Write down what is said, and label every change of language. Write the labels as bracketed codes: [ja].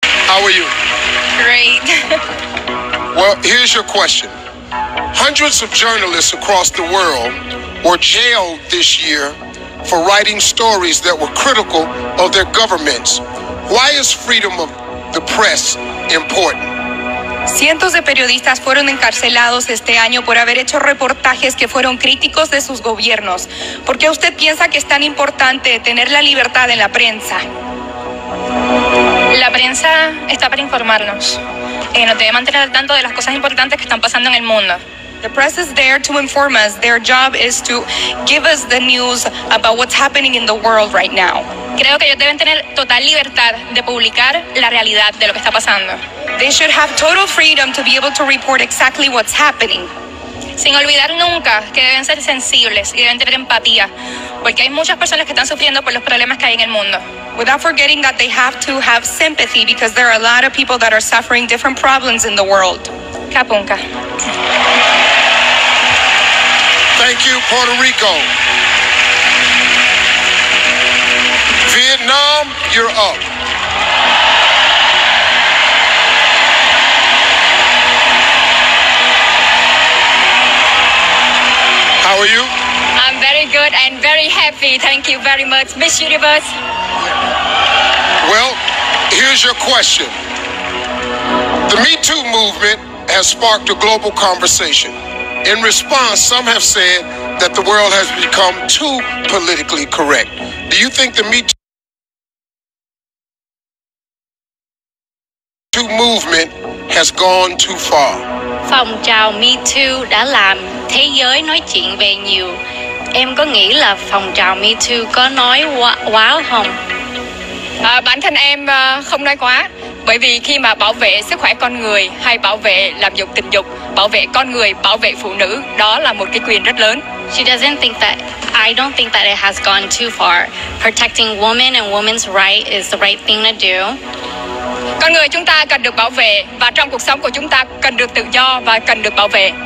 [en] How are you? Great. Well, here's your question. Hundreds of journalists across the world were jailed this year for writing stories that were critical of their governments. Why is freedom of the press important? [es] Cientos de periodistas fueron encarcelados este año por haber hecho reportajes que fueron críticos de sus gobiernos. ¿Por qué usted piensa que es tan importante tener la libertad en la prensa? La prensa está para informarnos. Nos debe mantener al tanto de las cosas importantes que están pasando en el mundo. [en] The press is there to inform us. Their job is to give us the news about what's happening in the world right now. [es] Creo que ellos deben tener total libertad de publicar la realidad de lo que está pasando. [en] They should have total freedom to be able to report exactly what's happening. [es] Sin olvidar nunca que deben ser sensibles y deben tener empatía, porque hay muchas personas que están sufriendo por los problemas que hay en el mundo. [en] Without forgetting that they have to have sympathy because there are a lot of people that are suffering different problems in the world. Kapunka. Thank you, Puerto Rico. Nam, you're up. How are you? I'm very good and very happy. Thank you very much, Miss Universe. Well, here's your question. The Me Too movement has sparked a global conversation. In response, some have said that the world has become too politically correct. Do you think the Me Too movement has gone too far? [vi] Phong trào Me Too đã làm thế giới nói chuyện về nhiều. Em có nghĩ là phong trào Me Too có nói quá không? Bản thân em không nói quá. Bởi vì khi mà bảo vệ sức khỏe con người hay bảo vệ làm dục tình dục, bảo vệ con người, bảo vệ phụ nữ, đó là một cái quyền rất lớn. [en] She doesn't think that, I don't think that it has gone too far. Protecting women and women's right is the right thing to do. [vi] Con người chúng ta cần được bảo vệ và trong cuộc sống của chúng ta cần được tự do và cần được bảo vệ.